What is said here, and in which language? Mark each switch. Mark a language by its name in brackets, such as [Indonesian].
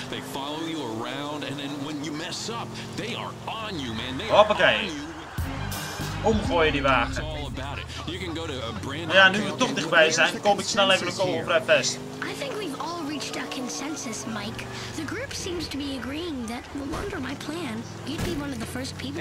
[English] They follow you around and then when you mess up, they are on you, man. They hoppakee. Are on you. [Dutch] Omgooien die wagen. Maar ja, nu we toch dichtbij zijn, kom ik snel even een call op Red Vest. [English] I think we've all reached a consensus, Mike. The group seems to be agreeing that, well, under my plan, you'd be one of the first people.